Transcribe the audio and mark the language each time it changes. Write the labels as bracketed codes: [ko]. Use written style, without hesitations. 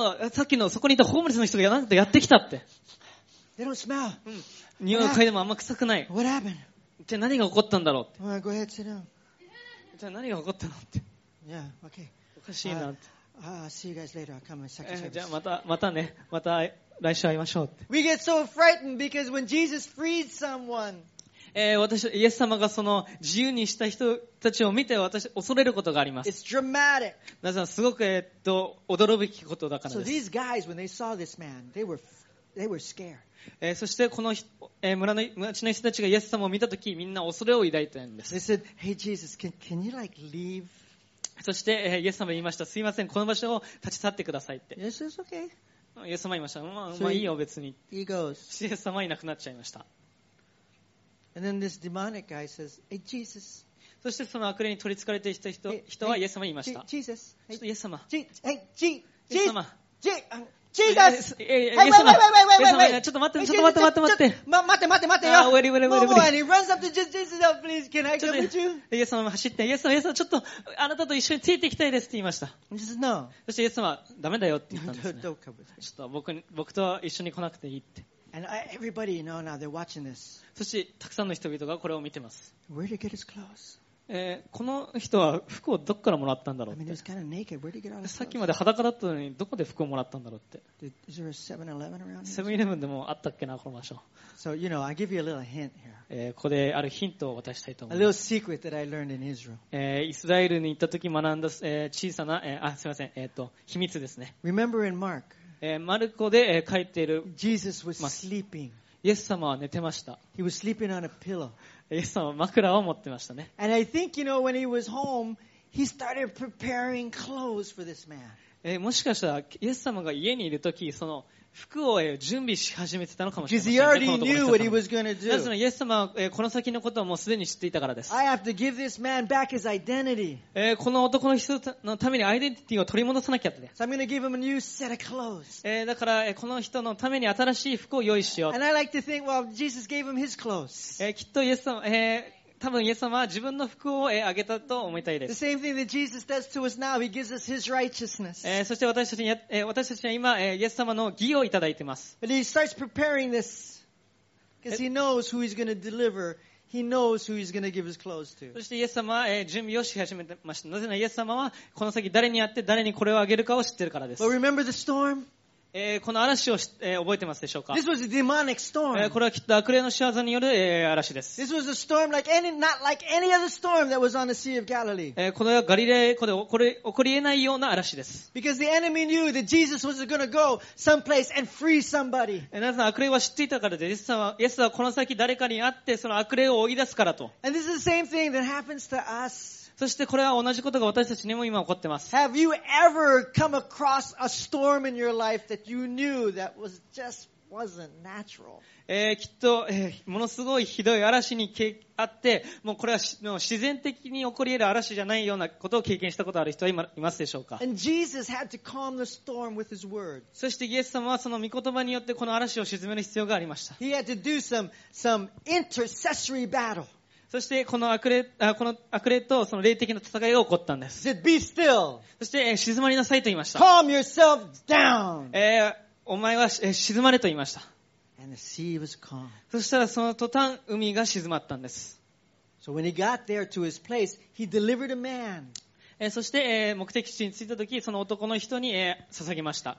[ja] さっきのそこにいたホームレスの人がなんかやってきたって。 [en] They don't smell. [ja] 匂いを嗅いでもあんま臭くない。 [en] What happened? [ja] じゃあ何が起こったんだろうって。 [en] Well, go ahead, sit down. [ja] じゃあ何が起こったのって。 [en] Yeah, okay. [ja] おかしいなって。 [en] See you guys later. I'll come and check [ja] service. じゃあまたね。また来週会いましょうって。 [en] We get so frightened because when Jesus freed someone. [ja] 私、イエス様がその自由にした人たちを見て私、恐れることがあります。 [en] It's dramatic. [ja] なぜなら、すごく、驚くべきことだからです。 [en] So these guys, when they saw this man, they were scared. [ja] そしてこの、村の人たちがイエス様を見たとき、みんな恐れを抱いてるんです。 [en] They said, hey Jesus, can you like leave? [ja] そして、イエス様言いました。すいません、この場所を立ち去ってくださいって。 [en] Yes, it's okay. [ja] イエス様言いました。まあいいよ、別に。 [en] He goes. [ja] イエス様はいなくなっちゃいました。 [en] And then this demonic guy says, hey, Jesus. [ja] そしてその悪霊に取り憑かれていた人はイエス様言いました。 [en] Jesus. [ja] ちょっとイエス様。 [en] Jesus, [ja] ちょっと待って、 [en] And everybody, you know, now they're watching this. [ja] そしてたくさんの人々がこれを見てます。 [en] Where did he get his clothes? [ja] この人は服をどこからもらったんだろうって。 [en] I mean, kind of naked. Where did he get all his clothes? [ja] さっきまで裸だったのにどこで服をもらったんだろうって。 [en] Is there a 7-Eleven around [ja] here? 7-Eleven でもあったっけな、この場所。 [en] So, you know, I'll give you a little hint here. [ja] ここであるヒントを渡したいと思います。 [en] A little secret that I learned in Israel. [ja] イスラエルに行った時学んだ、小さな、あ、すいません、秘密ですね。 [en] Remember in Mark. [ja] マルコで書いている。 [en] Jesus was sleeping. [ja] イエス様は寝てました。 [en] He was sleeping on a pillow. [ja] イエス様は枕を持ってましたね。 [en] And I think, you know, when he was home, he started preparing clothes for this man. [ja] もしかしたらイエス様が家にいるとき、その服を準備し始めてたのかもしれません、ね。 [en] Because he already knew what he was going to do. [ja] なぜならイエス様はこの先のことをもうすでに知っていたからです。 [en] I have to give this man back his identity. [ja] この男の人のためにアイデンティティを取り戻さなきゃって。 [en] So I'm going to give him a new set of clothes. [ja] だからこの人のために新しい服を用意しよう。 [en] And I like to think, well, Jesus gave him his clothes. [ja] きっとイエス様、多分イエス様は自分の服をあげたと思いたいです。 [en] The same thing that Jesus does to us now, he gives us his righteousness. [ja] そして私たちは今イエス様の義をいただいています。 [en] But he starts preparing this because he knows who he's going to deliver. He knows who he's going to give his clothes to. [ja] そしてイエス様は準備をし始めてました。なぜならイエス様はこの先誰に会って誰にこれをあげるかを知っているからです。 [en] But remember the storm? [ja] この嵐を、覚えてますでしょうか。 [en] This was a demonic storm. [ja] これはきっと悪霊の仕業による、嵐です。このようガリレー湖で起こり得ないような嵐です。なぜなら悪霊は知っていたからです。イエスはこの先誰かに会ってその悪霊を追い出すからと。 [en] And this is the same thing that happens to us. [ja] そしてこれは同じことが私たちにも今起こってます。 [en] Have you ever come across a storm in your life that you knew that was just wasn't natural? [ja] きっと、ものすごいひどい嵐にあって、もうこれはもう自然的に起こり得る嵐じゃないようなことを経験したことある人は今いますでしょうか。 [en] And Jesus had to calm the storm with his word. [ja] そしてイエス様はその御言葉によってこの嵐を鎮める必要がありました。 [en] He had to do some intercessory battle. [ja] そしてこの悪霊とその霊的な戦いが起こったんです。 [en] Said, Be still. [ja] そして、静まりなさいと言いました。 [en] Calm yourself down. [ja] お前は、静まれと言いました。 [en] And the sea was calm. [ja] そしたらその途端海が静まったんです。 [en] So when he got there to his place, he delivered a man. [ja] そして、目的地に着いた時その男の人に、捧げました。